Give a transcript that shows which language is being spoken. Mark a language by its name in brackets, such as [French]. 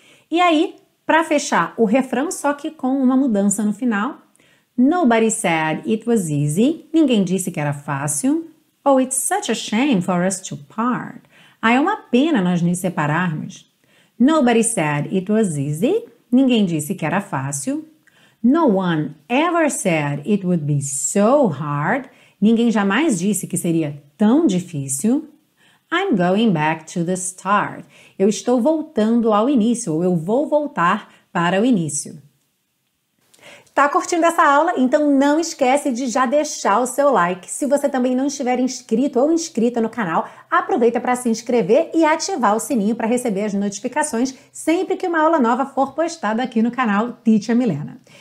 [Portuguese] E aí, para fechar o refrão, só que com uma mudança no final. [English] Nobody said it was easy, [Portuguese] ninguém disse que era fácil. [English] Oh, it's such a shame for us to part. [Portuguese] Ah, é uma pena nós nos separarmos. [English] Nobody said it was easy. [Portuguese] Ninguém disse que era fácil. [English] No one ever said it would be so hard. [Portuguese] Ninguém jamais disse que seria tão difícil. [English] I'm going back to the start. [Portuguese] Eu estou voltando ao início, ou eu vou voltar para o início. Tá curtindo essa aula? Então não esquece de já deixar o seu like. Se você também não estiver inscrito ou inscrita no canal, aproveita para se inscrever e ativar o sininho para receber as notificações sempre que uma aula nova for postada aqui no canal Teacher Milena.